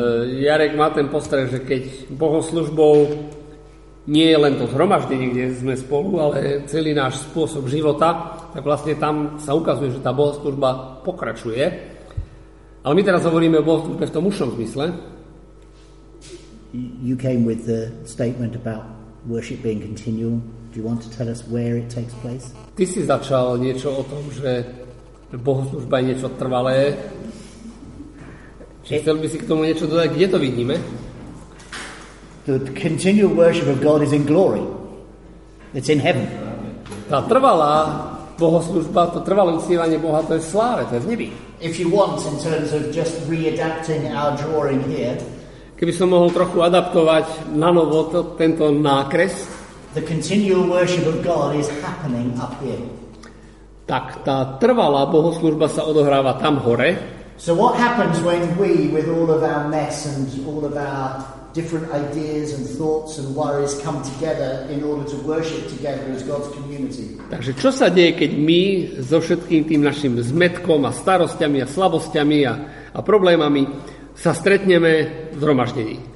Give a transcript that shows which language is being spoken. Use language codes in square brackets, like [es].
[sk] Jarek má ten postreh, že keď bohoslužbou nie je len to zhromaždenie, kde sme spolu, ale celý náš spôsob života, tak vlastne tam sa ukazuje, že tá bohoslužba pokračuje. Ale my teraz hovoríme o bohoslužbe v tom užšom zmysle. [en] You came with the statement about worship being continual. Do you want to tell us where it takes place? [sk] Ty si začal niečo o tom, že bohoslužba je niečo trvalé. Či chcel by si k tomu niečo dodať, kde to vidíme? [en] The continual worship of God is in glory. It's in heaven. [sk] Tá trvalá bohoslužba, to trvalé uctievanie Boha, to je v sláve, to je v nebi. [en] If you want, in terms of just readapting our drawing here, [sk] keby som mohol trochu adaptovať na novo tento nákres. [en] The continual worship of God is happening up here. [sk] Tak tá trvalá bohoslužba sa odohráva tam hore. [en] So what happens when we, with all of our mess and all of our different ideas and thoughts and worries come together in order to worship together as God's community? [sk] Takže čo sa deje, keď my so všetkým tým našim zmetkom a starostiami a slabosťami a problémami sa stretneme v zhromaždení.